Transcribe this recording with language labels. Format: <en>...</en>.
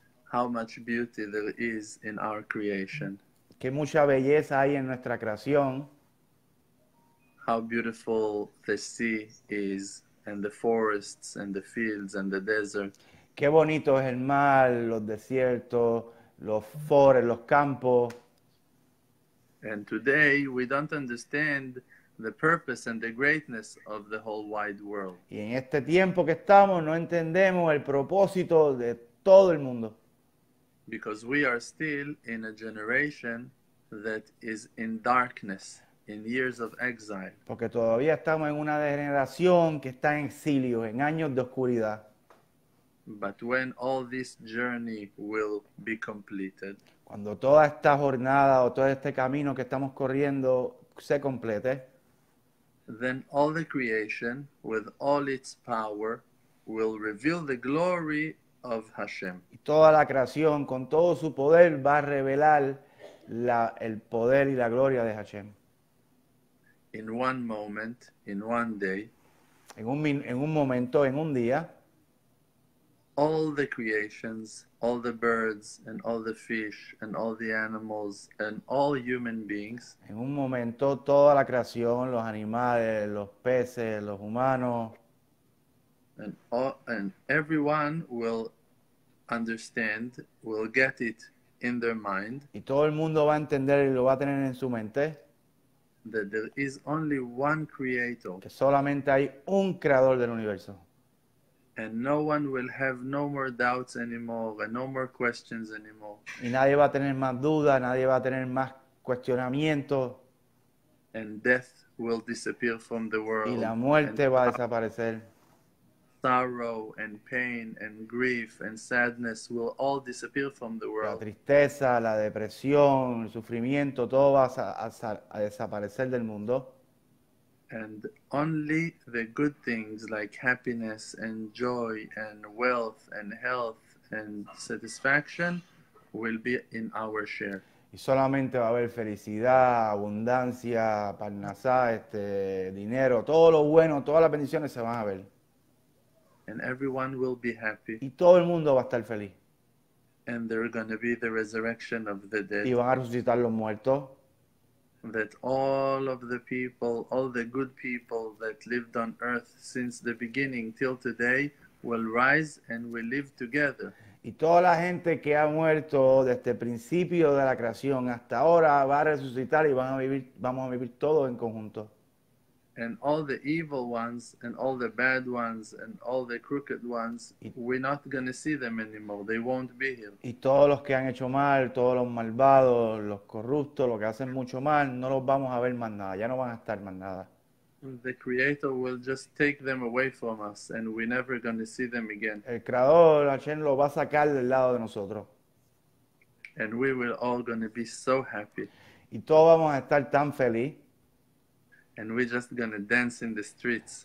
<en>How much beauty there is in our creation.</en> <es>Qué mucha belleza hay en nuestra creación.</es> <en>How beautiful the sea is and the forests and the fields and the desert.</en> <es>Qué bonito es el mar, los desiertos, los forests, los campos.</es> <en>And today we don't understand the purpose and the greatness of the whole wide world.</en> <es>Y en este tiempo que estamos no entendemos el propósito de todo el mundo.</es> <en>Because we are still in a generation that is in darkness, in years of exile.</en> <es>Porque todavía estamos en una generación que está en exilio, en años de oscuridad.</es> <en>But when all this journey will be completed,</en> <es>cuando toda esta jornada o todo este camino que estamos corriendo se complete,</es> <en>then all the creation, with all its power, will reveal the glory of Hashem.</en> <es>Y toda la creación con todo su poder va a revelar el poder y la gloria de Hashem.</es> <en>In one moment, in one day,</en> <es>en un momento, en un día,</es> <en>all the creations, all the birds and all the fish and all the animals and all human beings,</en> <es>en un momento toda la creación, los animales, los peces, los humanos,</es> <en>and everyone will understand, will get it in their mind.</en> <es>Y todo el mundo va a entender y lo va a tener en su mente.</es> <en>That there is only one creator.</en> <es>Que solamente hay un creador del universo.</es> <en>And no one will have no more doubts anymore, and no more questions anymore.</en> <es>Y nadie va a tener más dudas, nadie va a tener más cuestionamientos.</es> <en>And death will disappear from the world.</en> <es>Y la muerte va a desaparecer.</es> <en>Sorrow and pain and grief and sadness will all disappear from the world.</en> <es>La tristeza, la depresión, el sufrimiento, todo va a desaparecer del mundo.</es> <en>And only the good things like happiness and joy and wealth and health and satisfaction will be in our share.</en> <es>Y solamente va a haber felicidad, abundancia, parnasá, dinero, todo lo bueno, todas las bendiciones se van a ver.</es> <en>And everyone will be happy.</en> <es>Y todo el mundo va a estar feliz.</es> <en>And there are going to be the resurrection of the dead.</en> <es>Y van a resucitar los muertos.</es> <en>That all of the people, all the good people that lived on earth since the beginning till today will rise and will live together.</en> <es>Y toda la gente que ha muerto desde el principio de la creación hasta ahora va a resucitar y van a vivir, vamos a vivir todos en conjunto.</es> <en>And all the evil ones and all the bad ones and all the crooked ones, we're not going to see them anymore. They won't be here.</en> <es>Y todos los que han hecho mal, todos los malvados, los corruptos, los que hacen mucho mal, no los vamos a ver más nada. Ya no van a estar más nada.</es> <en>The Creator will just take them away from us and we're never going to see them again.</en> <es>El Creador, Hashem, lo va a sacar del lado de nosotros.</es> <en>And we will all going to be so happy.</en> <es>Y todos vamos a estar tan feliz.</es> <en>And we're just going to dance in the streets.</en>